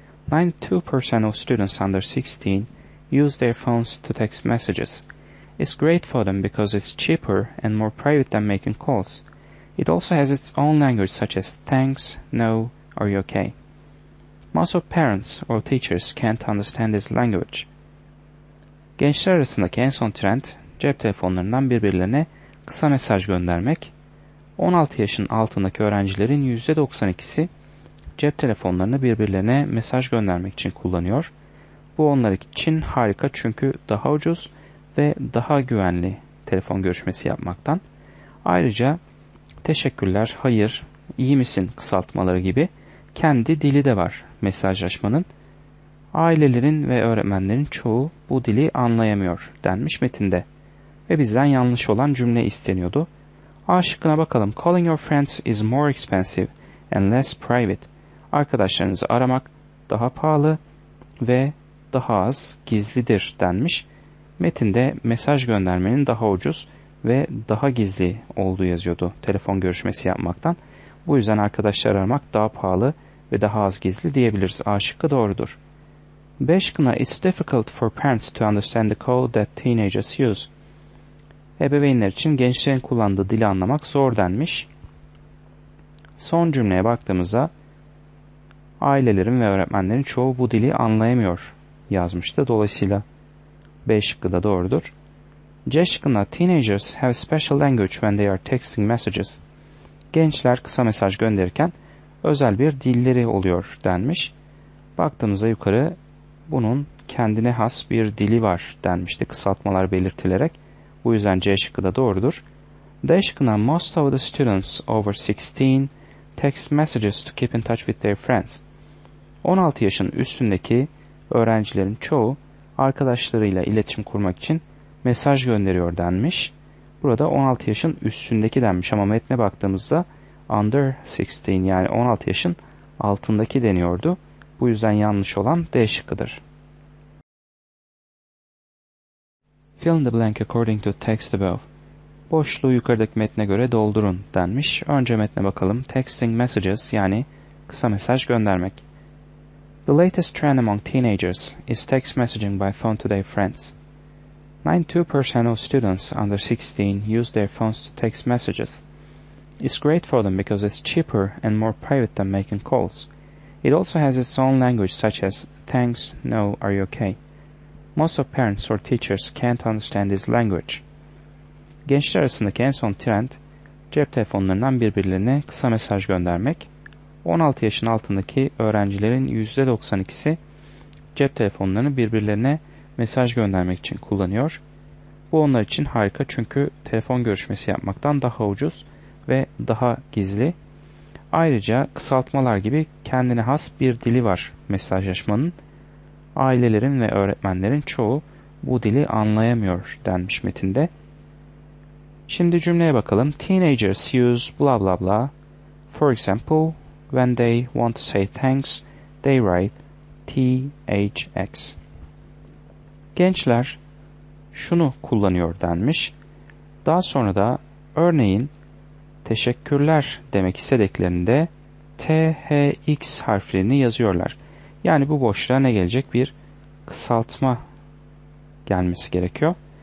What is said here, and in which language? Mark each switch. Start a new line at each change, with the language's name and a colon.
English: 92% of students under 16 use their phones to text messages. It's great for them because it's cheaper and more private than making calls. It also has its own language such as thanks, no, are you okay? Most of parents or teachers can't understand this language.
Turkish: Gençler arasındaki en son trend, cep telefonlarından birbirlerine kısa mesaj göndermek. 16 yaşın altındaki öğrencilerin %92'si cep telefonlarını birbirlerine mesaj göndermek için kullanıyor. Bu onlar için harika çünkü daha ucuz ve daha güvenli telefon görüşmesi yapmaktan. Ayrıca teşekkürler, hayır, iyi misin kısaltmaları gibi kendi dili de var mesajlaşmanın. Ailelerin ve öğretmenlerin çoğu bu dili anlayamıyor denmiş metinde. Ve bizden yanlış olan cümle isteniyordu. A şıkkına bakalım.
English: Calling your friends is more expensive and less private.
Turkish: Arkadaşlarınızı aramak daha pahalı ve daha az gizlidir denmiş. Metinde mesaj göndermenin daha ucuz ve daha gizli olduğu yazıyordu telefon görüşmesi yapmaktan. Bu yüzden arkadaşları aramak daha pahalı ve daha az gizli diyebiliriz. A şıkkı doğrudur. B şıkkına
English: it's difficult for parents to understand the code that teenagers use.
Turkish: Ebeveynler için gençlerin kullandığı dili anlamak zor denmiş. Son cümleye baktığımızda ailelerin ve öğretmenlerin çoğu bu dili anlayamıyor yazmıştı. Dolayısıyla B şıkkı da doğrudur. C şıkkında
English: teenagers have special language when they are texting messages.
Turkish: Gençler kısa mesaj gönderirken özel bir dilleri oluyor denmiş. Baktığımızda yukarı bunun kendine has bir dili var denmişti kısaltmalar belirtilerek. Bu yüzden C şıkkı da doğrudur. D şıkkına
English: most of the students over 16 text messages to keep in touch with their friends.
Turkish: 16 yaşın üstündeki öğrencilerin çoğu arkadaşlarıyla iletişim kurmak için mesaj gönderiyor denmiş. Burada 16 yaşın üstündeki denmiş ama metne baktığımızda
English: under 16
Turkish: yani 16 yaşın altındaki deniyordu. Bu yüzden yanlış olan D şıkkıdır.
English: Fill in the blank according to text above.
Turkish: Boşluğu yukarıdaki metne göre doldurun denmiş. Önce metne bakalım.
English: Texting messages
Turkish: yani kısa mesaj göndermek.
English: The latest trend among teenagers is text messaging by phone to their friends. 92% of students under 16 use their phones to text messages. It's great for them because it's cheaper and more private than making calls. It also has its own language such as thanks, no, are you okay? Most of parents or teachers can't understand this language.
Turkish: Gençler arasındaki en son trend, cep telefonlarından birbirlerine kısa mesaj göndermek. 16 yaşın altındaki öğrencilerin %92'si cep telefonlarını birbirlerine mesaj göndermek için kullanıyor. Bu onlar için harika çünkü telefon görüşmesi yapmaktan daha ucuz ve daha gizli. Ayrıca kısaltmalar gibi kendine has bir dili var mesajlaşmanın. Ailelerin ve öğretmenlerin çoğu bu dili anlayamıyor denmiş metinde. Şimdi cümleye bakalım.
English: Teenagers use blah blah blah. For example, when they want to say thanks, they write THX.
Turkish: Gençler şunu kullanıyor denmiş. Daha sonra da örneğin teşekkürler demek istediklerinde THX harflerini yazıyorlar. Yani bu boşluğa ne gelecek? Bir kısaltma gelmesi gerekiyor.